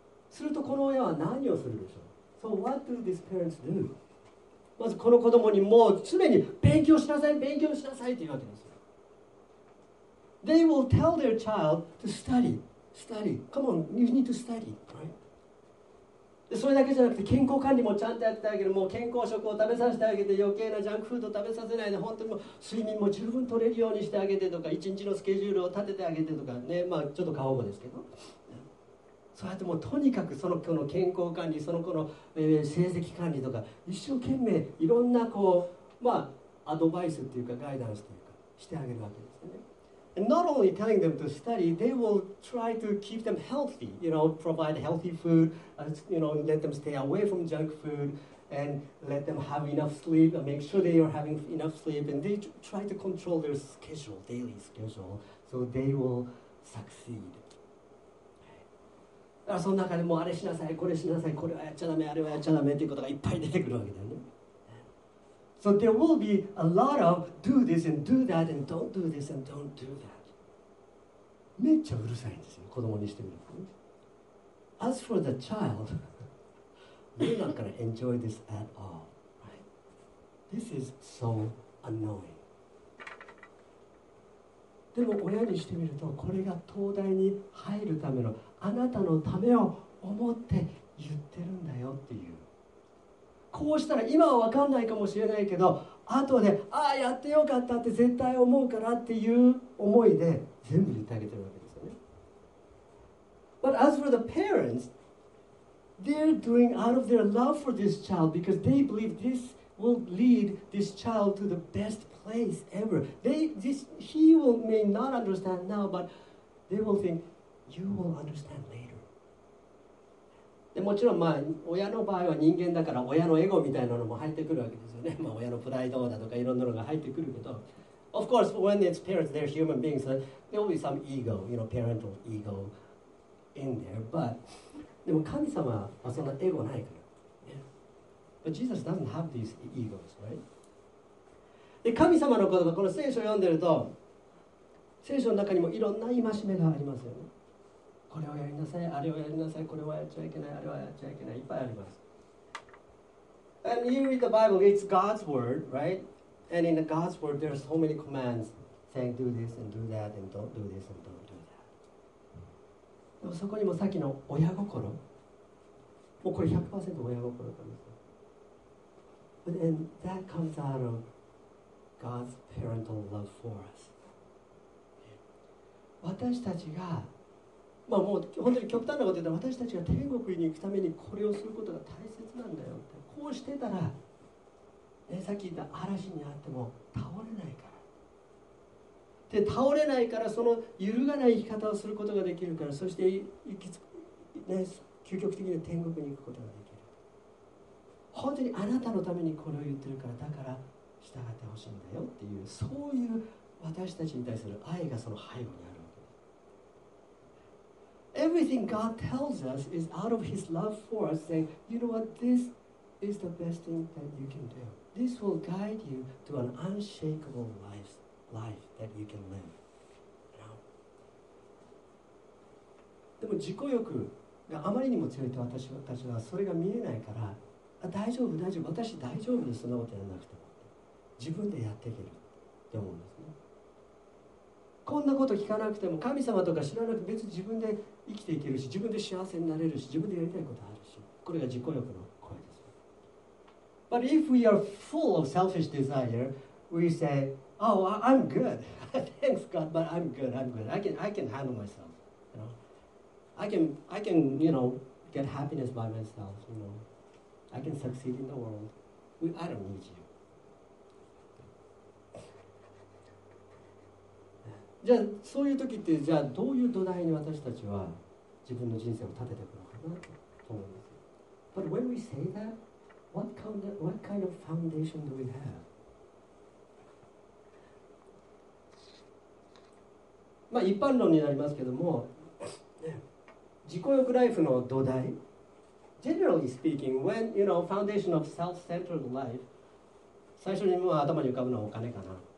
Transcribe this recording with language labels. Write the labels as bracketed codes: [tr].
[ja] するとこの親は何をするでしょう。 [en] So what do these parents do? [ja] まずこの子供にもう常に勉強しなさい、勉強しなさいって言うわけですよ。 [en] They will tell their child to study, study. Come on, you need to study, right? [ja] でそれだけじゃなくて健康管理もちゃんとやってあげる。もう健康食を食べさせてあげて、余計なジャンクフード食べさせないで、本当にもう睡眠も十分取れるようにしてあげてとか、一日のスケジュールを立ててあげてとかね、まあちょっと過保護ですけど。そうやってもうとにかくその子の健康管理、その子の成績管理とか一生懸命いろんなこうまあアドバイスっていうかガイダンスというかしてあげるわけですね。 [en] And not only telling them to study, they will try to keep them healthy. You know, provide healthy food. You know, let them stay away from junk food and let them have enough sleep. Make sure they are having enough sleep. And they try to control their schedule, daily schedule, so they will succeed. [ja] だからその中でもうあれしなさい、これしなさい、これはやっちゃダメ、あれはやっちゃダメっていうことがいっぱい出てくるわけだよね。 [en] So there will be a lot of do this and do that and don't do this and don't do that. [ja] めっちゃうるさいんですよ、子供にしてみると。 [en] as for the child, you're not going to enjoy this at all. Right? This is so annoying. [ja] でも親にしてみると、これが東大に入るためのあなたのためを思って言ってるんだよっていう。こうしたら今は分かんないかもしれないけど、後でああやってよかったって絶対思うからっていう思いで全部言ってあげてるわけですよね。 [en] But as for the parents, they're doing out of their love for this child because they believe this will lead this child to the best place ever. May not understand now, but they will think you will understand later. [ja] でもちろんまあ親の場合は人間だから親のエゴみたいなのも入ってくるわけですよね。まあ親のプライドだとかいろんなのが入ってくるけど、 [en] Of course when it's parents, they're human beings, there will be some ego, you know, parental ego in there. But [ja] でも神様はそんなエゴないから。 [en] But Jesus doesn't have these egos, right? [ja] で神様のことがこの聖書を読んでると、聖書の中にもいろんな戒めがありますよね。これをやりなさい、あれをやりなさい、これはやっちゃいけない、あれはやっちゃいけない、いっぱいあります。 [en] And you read the Bible, it's God's word, right? And in the God's word, there are so many commands saying do this and do that and don't do this and don't do that. [ja] でもそこにもさっきの親心、もうこれ 100% 親心なんですよ。 [en] But then that comes out of God's parental love for us. [ja] 私たちがまあ、もう本当に極端なこと言ったら私たちが天国に行くためにこれをすることが大切なんだよってこうしてたら、ね、さっき言った嵐にあっても倒れないからで倒れないからその揺るがない生き方をすることができるからそして行きつく、ね、究極的に天国に行くことができる本当にあなたのためにこれを言ってるからだから従ってほしいんだよっていうそういう私たちに対する愛がその背後にある [en] Everything God tells us is out of His love for us, saying, you know what, this is the best thing that you can do. This will guide you to an unshakable life that you can live. You know? [ja] でも自己欲があまりにも強いと私はそれが見えないから、あ、大丈夫、大丈夫、私大丈夫です、そんなことやらなくても。自分でやっていけるって思うんですね。こんなこと聞かなくても神様とか知らなくても別に自分で生きていけるし自分で幸せになれるし自分でやりたいことあるしこれが自己欲の声です。 [en] But if we are full of selfish desire, we say, oh, I'm good. Thanks God, but I'm good. I'm good. I can handle myself. You know, I can you know get happiness by myself. You know, I can succeed in the world. I don't need you. [ja] じゃあそういう時ってじゃあどういう土台に私たちは自分の人生を立てていくのかなと思うんですよ。 [en] But when we say that, what kind of foundation do we have? [ja] まあ一般論になりますけども、自己欲ライフの土台。 [en] Generally speaking, when you know foundation of self-centered life, [ja] 最初に頭に浮かぶのはお金かな。